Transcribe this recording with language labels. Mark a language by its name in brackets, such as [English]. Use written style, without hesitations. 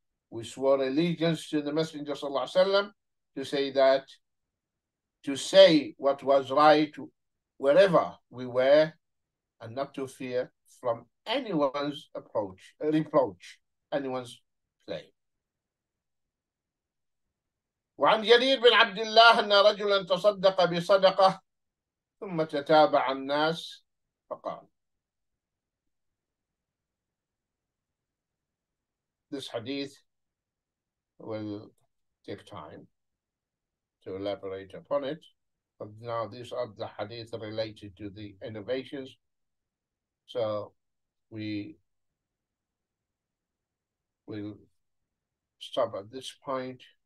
[English] We swore allegiance to the Messenger sallallahu alaihi wasallam to say what was right wherever we were, and not to fear from anyone's approach, reproach, anyone's claim. [Arabic] وعن جرير بن عبد الله أن رجلا تصدق بصدقة ثم تتابع الناس فقال. [English] This hadith will take time to elaborate upon it, but now these are the hadith related to the innovations. So we will stop at this point.